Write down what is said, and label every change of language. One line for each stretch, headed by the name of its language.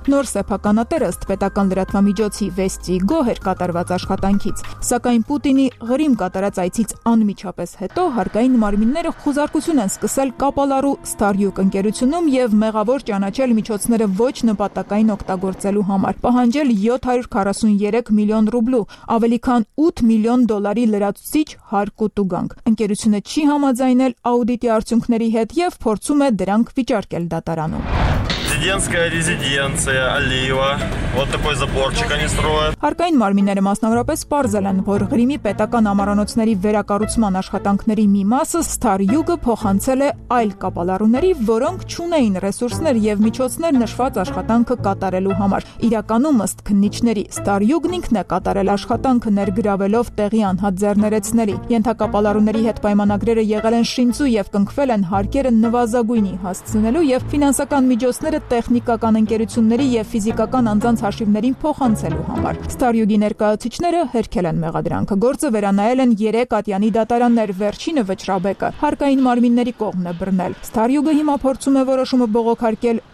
Armenian: Նոր սեփականատերը ըստ պետական լրատվամիջոցի Vesti Go էր կատարված աշխատանքից, սակայն Պուտինի Ղրիմ կատարած այցից անմիջապես հետո հարկային մարմինները խուզարկություն են սկսել կապալարու Star Yuk ընկերությունում եւ մեղավոր ճանաչել միջոցները ոչ նպատակային օգտագործելու համար, պահանջել 743 միլիոն ռուբլու, ավելի քան 8 միլիոն դոլարի լրացուցիչ հարկ ու տուգանք։ Ընկերությունը չի համաձայնել աուդիտի արդյունքների հետ եւ փորձում է դրանք վիճարկել դատարանում։
Russian: Президентская резиденция Алиева. Вот такой заборчик они строят.
Armenian: Հարկային մարմինները մասնավորապես պարզել են, որ Ղրիմի պետական ամառանոցների վերակառուցման աշխատանքների մի մասը Star Yuk-ը փոխանցել է այլ կապալարուների, որոնք չունեին ռեսուրսներ եւ միջոցներ նշված աշխատանքը կատարելու համար։ Իրականում ըստ քննիչների Star Yuk-ն ինքն է կատարել աշխատանքը ներգրավելով տեղի անհատ ձեռներեցների։ Ենթակապալարուների հետ պայմանագրերը եղել են շինծու եւ կնքվել են հարկերը նվազագույնի հասցնելու եւ ֆինանսական միջոց ները տեխնիկական ընկերությունների եւ ֆիզիկական անձանց հաշիվներին փոխանցելու համար։ Star Yuk-ի ներկայացուցիչները հերքել են մեղադրանքը, գործը վերանայել են 3 ատյանի դատարաններ, վերջինը վճռաբեկը, հարկային մարմինների կողմն է բռնել։ Star Yuk-ը հիմա փորձում է որոշումը բողոքարկել